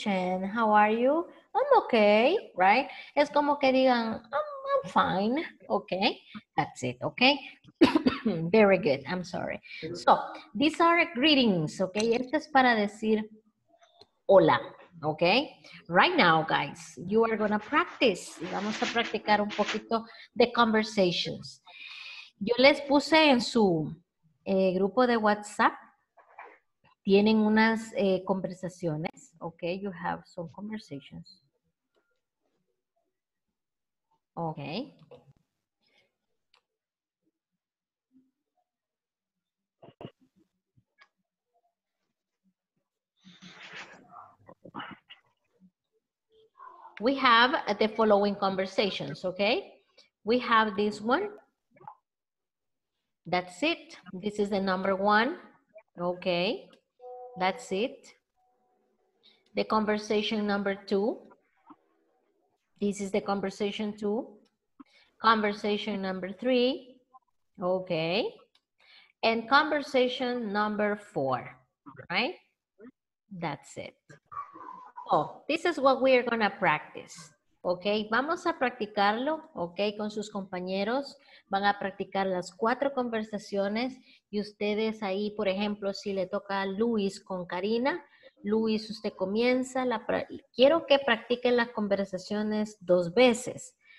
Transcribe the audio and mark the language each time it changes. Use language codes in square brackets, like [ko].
[en] Chen, how are you? I'm okay, right? [es] Es como que digan, [en] I'm fine. Okay, that's it. Okay, very good. I'm sorry. So, these are greetings. Okay, [es] esto es para decir hola. [en] Okay, right now, guys, you are gonna practice. [es] Vamos a practicar un poquito [en] the conversations. [es] Yo les puse en su grupo de WhatsApp. Tienen unas conversaciones. [en] Okay, you have some conversations. Okay. We have the following conversations, okay? We have this one. That's it. This is the number one. Okay. That's it. The conversation number two. This is the conversation two. Conversation number three. Okay. And conversation number four, right? That's it. Oh, this is what we are gonna practice. [es] Okay, vamos a practicarlo, okay, con sus compañeros. Van a practicar las cuatro conversaciones y ustedes ahí, por ejemplo, si le toca a Luis con Karina, Luis, usted comienza. Quiero que practiquen las conversaciones dos veces.